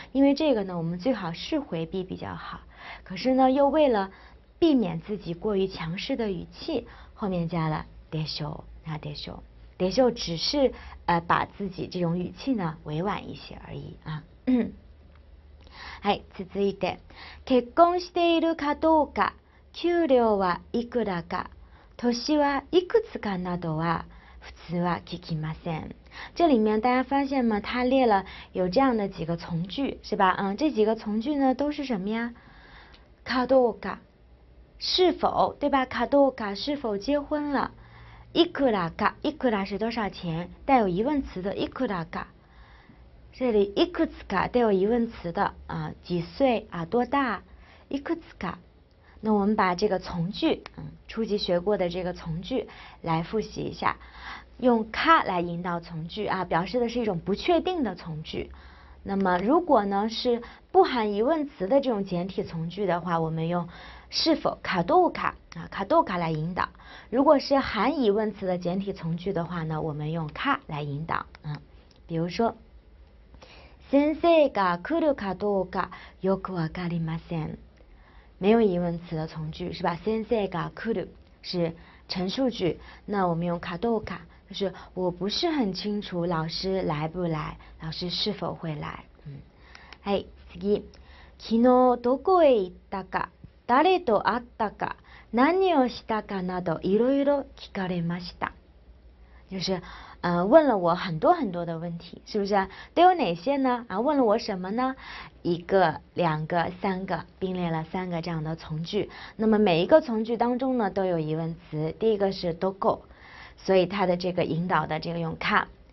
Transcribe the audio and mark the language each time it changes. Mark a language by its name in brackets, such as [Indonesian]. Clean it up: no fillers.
[Chinese] 因为这个呢，我们最好是回避比较好。可是呢，又为了避免自己过于强势的语气，后面加了でしょう，那でしょう。得就只是把自己这种语气呢委婉一些而已啊。 [Japanese] はい、続いて、結婚しているかどうか、給料はいくらか、年はいくつかなどは普通は聞きません。 [Chinese] 这里面大家发现吗？他列了有这样的几个从句，是吧？嗯，这几个从句呢都是什么呀？かどうか，是否，对吧？かどうか，是否结婚了？いくらか，いくら是多少钱，带有疑问词的。いくらか，这里いくつか带有疑问词的啊，几岁啊，多大？いくつか，那我们把这个从句，初级学过的这个从句来复习一下，用か来引导从句啊，表示的是一种不确定的从句。那么如果呢是不含疑问词的这种简体从句的话，我们用是否卡多卡啊，卡多卡来引导。如果是含疑问词的简体从句的话呢，我们用卡来引导。比如说， [Japanese] 先生が来るかどうかよくわかりません。 [Chinese] 没有疑问词的从句是吧？ [Japanese] 先生が来る [Chinese] 是陈述句，那我们用卡多卡，就是我不是很清楚老师来不来，老师是否会来。 [Japanese] 哎，次，昨日どこへ行ったか。誰と会ったか、何をしたかなどいろいろ聞かれました。 [Chinese] 就是，问了我很多很多的问题，是不是？都有哪些呢？啊，问了我什么呢？一个、两个、三个，并列了三个这样的从句。那么每一个从句当中呢，都有疑问词。第一个是どこ，所以它的这个引导的这个用か。